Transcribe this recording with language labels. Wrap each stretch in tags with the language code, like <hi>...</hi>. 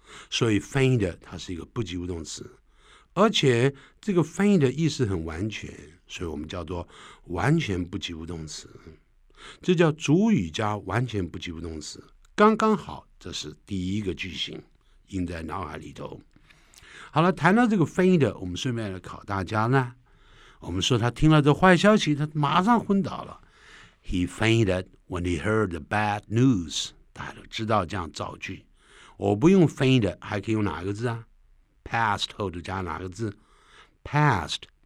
<zh>所以 faint 它是一个不及物动词，而且这个 faint 意思很完全，所以我们叫做完全不及物动词，这叫主语加完全不及物动词，刚刚好，这是第一个句型，印在脑海里头。好了，谈到这个 faint， 我们顺便来考大家呢。我们说他听了这坏消息，他马上昏倒了。</zh> <en>He fainted when he heard the bad news。</en> <zh>大家都知道这样造句，我不用 faint， 还可以用哪个字啊 ？Past 后头加哪个字 ？Past。</zh>